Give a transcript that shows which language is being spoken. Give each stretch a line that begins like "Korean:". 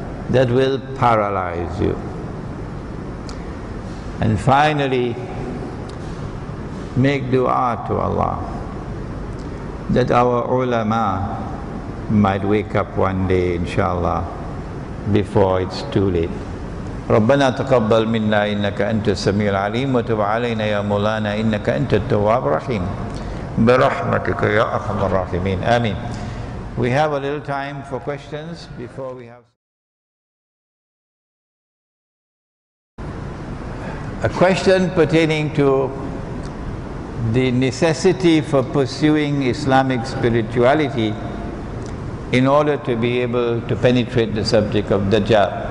English: that will paralyze you. And finally, make dua to Allah that our ulama might wake up one day, inshallah, before it's too late.
Arabic: ربنا تقبل منا إنك أنت السميع العليم وتب علينا يا مولانا إنك أنت التواب الرحيم برحمتك يا أرحم الراحمين آمين.
English: We have a little time for questions before we have a question pertaining to the necessity for pursuing Islamic spirituality in order to be able to penetrate the subject of Dajjal.